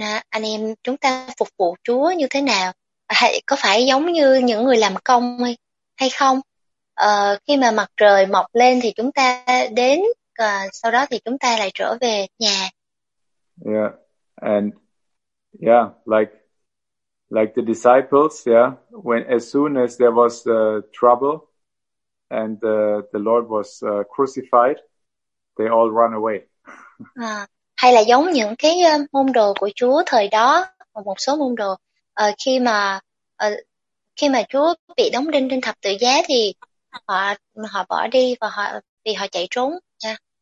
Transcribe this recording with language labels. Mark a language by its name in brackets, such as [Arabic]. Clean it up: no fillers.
[Vietnamese] Anh em chúng ta phục vụ Chúa như thế nào? Có phải giống như những người làm công hay không? Khi mà mặt trời mọc lên thì chúng ta đến, sau đó thì chúng ta lại trở về nhà. [English] Yeah, and yeah, like the disciples, yeah, when as soon as there was trouble and the Lord was crucified, they all run away. [Vietnamese] Hay là giống những cái môn đồ của Chúa thời đó, một số môn đồ khi mà Chúa bị đóng đinh trên thập tự giá thì họ bỏ đi và họ vì họ chạy trốn nha.